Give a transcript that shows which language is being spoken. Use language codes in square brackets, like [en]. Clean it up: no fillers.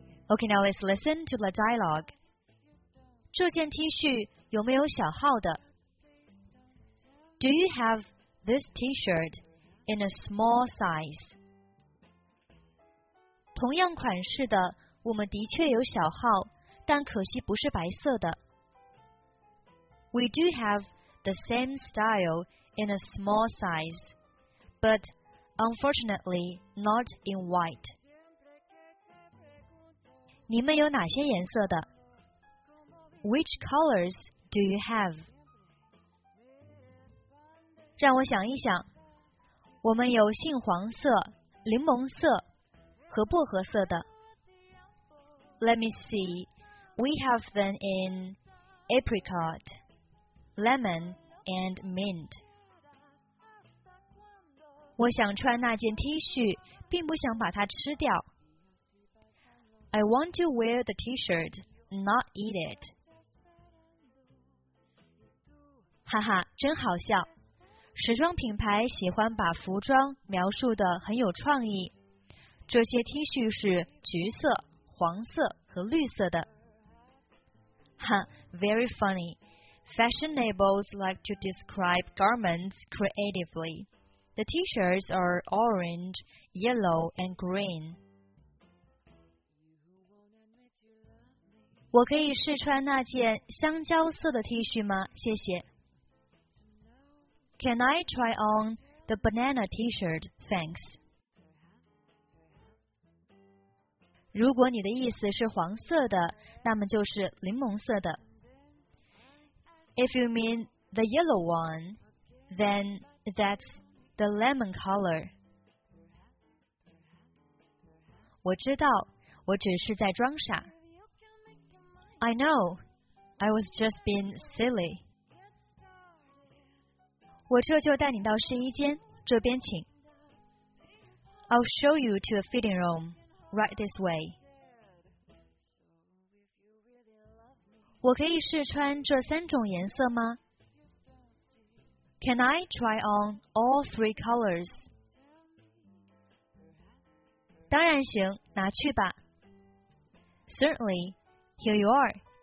[en] Okay, now let's listen to the dialogue. [zh] 这件 T 恤有没有小号的？ [en] Do you have this T-shirt in a small size? [zh] 同样款式的，我们的确有小号，但可惜不是白色的。 [en] We do have the same style in a small size, but unfortunately not in white. [zh] 你们有哪些颜色的？ [en] Which colors do you have? [zh] 让我想一想，我们有杏黄色、柠檬色和薄荷色的。 [en] Let me see. We have them in apricot, lemon and mint. [zh] 我想穿那件 T 恤，并不想把它吃掉。 [en] I want to wear the T-shirt, not eat it. [zh] 哈哈，真好笑。时装品牌喜欢把服装描述得很有创意。这些 T 恤是橘色、黄色和绿色的。 [en] 哈，very funny. Fashionables like to describe garments creatively. The T-shirts are orange, yellow, and green. [zh] 我可以试穿那件香蕉色的 T 恤吗？谢谢。 [en] Can I try on the banana T-shirt? Thanks. [zh] 如果你的意思是黄色的，那么就是柠檬色的。 [en] If you mean the yellow one, then that's the lemon color. [zh] 我知道，我只是在装傻。 [en] I know, I was just being silly. [zh] 我这就带你到试衣间，这边请。 [en] I'll show you to a fitting room, right this way. [zh] 我可以试穿这三种颜色吗？ [en] Can I try on all three colors? [zh] 当然行，拿去吧。 [en] Certainly, here you are.